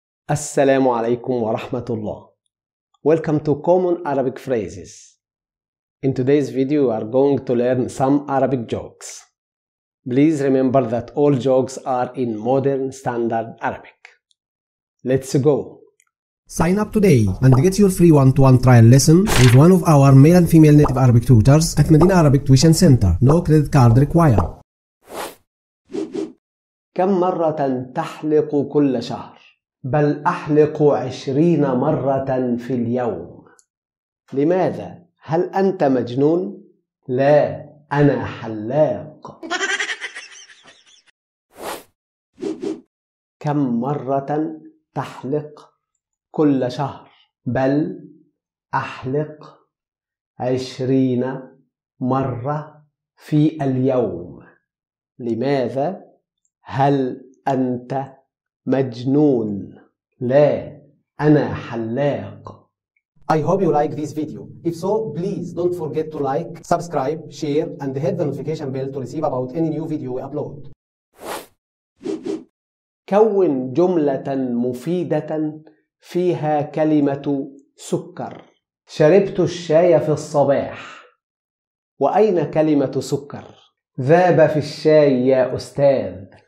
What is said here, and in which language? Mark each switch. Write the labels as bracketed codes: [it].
[ar] السلام عليكم ورحمة الله. [en] Welcome to Common Arabic Phrases. In today's video, you are going to learn some Arabic jokes. Please remember that all jokes are in modern standard Arabic. Let's go. Sign up today and get your free one-to-one trial lesson with one of our male and female native Arabic tutors at Medina Arabic Tuition Center. No credit card required. [ar] كم مرة تحلق كل شهر؟ بل أحلق 20 مرة في اليوم. لماذا؟ هل أنت مجنون؟ لا، أنا حلاق. كم مرة تحلق كل شهر؟ بل أحلق 20 مرة في اليوم. لماذا؟ هل أنت مجنون؟ لا، أنا حلاق. [en] I hope you like this video. If so, please don't forget to like, subscribe, share and hit the notification bell to receive about any new video we upload. [ar] كون جملة مفيدة فيها كلمة سكر. شربت الشاي في الصباح. وأين كلمة سكر؟ ذاب في الشاي يا أستاذ.